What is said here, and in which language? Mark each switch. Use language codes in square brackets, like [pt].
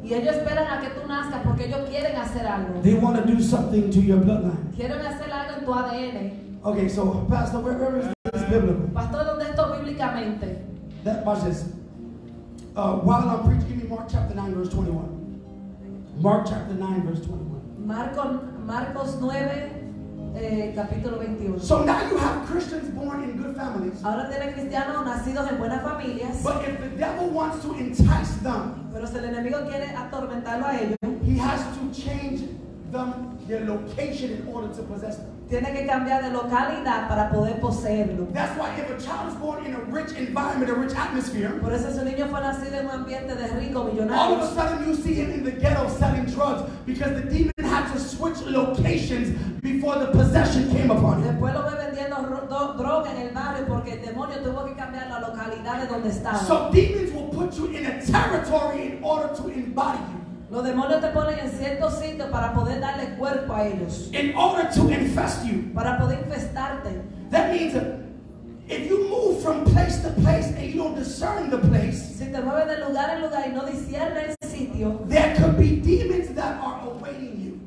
[es] Y ellos esperan a que tú nazcas porque ellos quieren hacer algo. [en] They want to do something to your bloodline. [es] Quieren hacer algo en tu ADN. [en] Okay, so Pastor, where is this biblical? [es] Pastor, ¿dónde esto bíblicamente? [en] That watch this. While I'm preaching, give me Mark chapter 9, verse 21. Mark chapter 9, verse 21. [es] Marcos 9, capítulo 21. [en] So now you have Christians born in good families. [es] Ahora tienen cristianos nacidos en buenas familias. [en] But if the devil wants to entice them, [es] pero si el enemigo quiere atormentarlo a ellos, [en] he has to change them their location in order to possess them. [es] Tiene que cambiar de localidad para poder poseerlo. [en] That's why if a child is born in a rich environment, a rich atmosphere, [es] por eso ese niño fue nacido en un ambiente de rico, [en] millonario, all of a sudden you see him in the ghetto selling drugs because the demon had to switch locations before the possession came upon him. [es] Después lo ve vendiendo droga en el barrio porque el demonio tuvo que cambiar la localidad de donde estaba. [en] So demons will put you in a territory in order to embody you. [es] Los demonios te ponen en cierto sitio para poder darle cuerpo a ellos. [en] In order to infest you. [es] Para poder infestarte. [en] That means if you move from place to place and you don't discern the place, [es] si te mueves de lugar en lugar y no discernes el sitio, [en] there could be demons that are awaiting you.